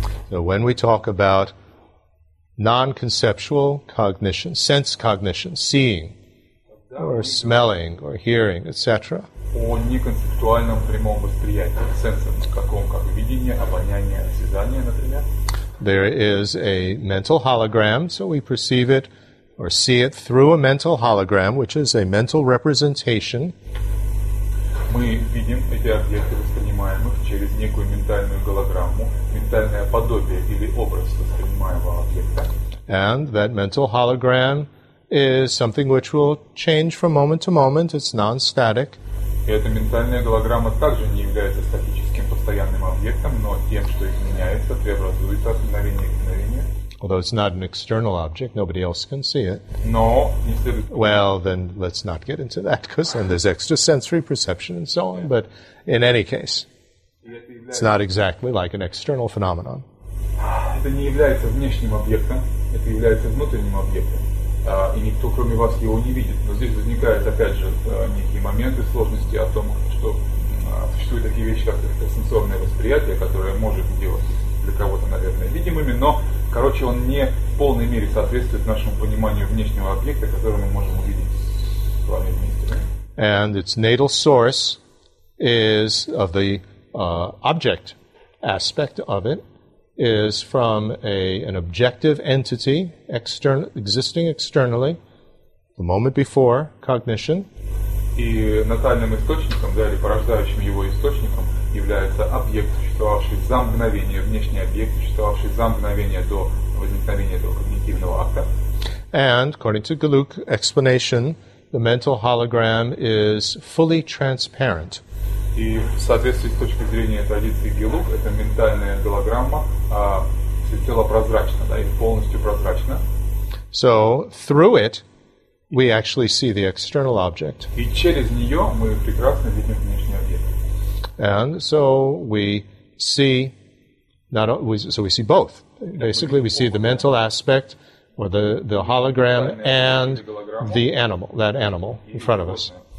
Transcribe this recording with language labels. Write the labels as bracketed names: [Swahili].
[English] So, when we talk about non-conceptual cognition, sense cognition, seeing, or smelling, or hearing, etc. [Russian] О неконцептуальном прямом восприятии, сенсом, каком, как видение, обоняние, осязание, например. [English] There is a mental hologram, so we perceive it, or see it through a mental hologram, which is a mental representation. [Russian] Мы видим эти объекты, воспринимаем их через некую ментальную голограмму, ментальное подобие или образ воспринимаемого объекта. [English] And that mental hologram is something which will change from moment to moment, it's non-static. [Russian] И эта ментальная голограмма также не является статическим постоянным объектом, но тем, что изменяется, преобразуется от мгновения к мгновению. [English] Although it's not an external object, nobody else can see it. No. Well, then let's not get into that, because then there's extrasensory perception and so on. But in any case, it's not exactly like an external phenomenon. [Russian] Это не является внешним объектом, это является внутренним объектом, и никто кроме вас его не видит. Но здесь возникают опять же некие моменты сложности о том, что существуют такие вещи, как экстрасенсорное восприятие, которое может делать для кого-то, наверное, видимыми, но, короче, он не в полной мере соответствует нашему пониманию внешнего объекта, который мы можем увидеть с вами вместе. [English] And its natal source is of the object aspect of it is from an objective entity existing externally the moment before cognition. [Russian] И натальным источником, да, или порождающим его источником является объект, существовавший за мгновение, внешний объект, существовавший за мгновение до возникновения этого когнитивного акта. [English] And according to Gelug's explanation, the mental hologram is fully transparent. [Russian] И в соответствии с точки зрения традиции Gelug, эта ментальная голограмма всецело прозрачна, да, и полностью прозрачна. [English] So, through it, we actually see the external object. [Russian] И через нее мы прекрасно видим внешний объект. [English] And so we see not so we see both. Basically, we see the mental aspect or the hologram and the animal, that animal in front of us.